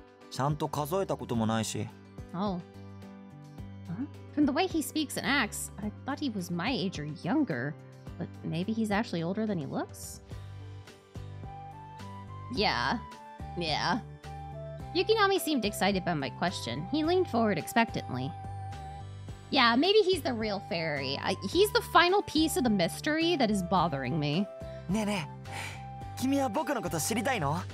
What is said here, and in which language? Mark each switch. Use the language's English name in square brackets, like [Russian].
[Japanese] ちゃんと数えたこともないし。 [English] Oh. Huh? From the way he speaks and acts, I thought he was my age or younger. But maybe he's actually older than he looks? Yeah. Yeah. Yukinami seemed excited by my question. He leaned forward expectantly. Yeah, maybe he's the real fairy. He's the final piece of the mystery that is bothering me. [Japanese] ねえねえ、君は僕のこと知りたいの?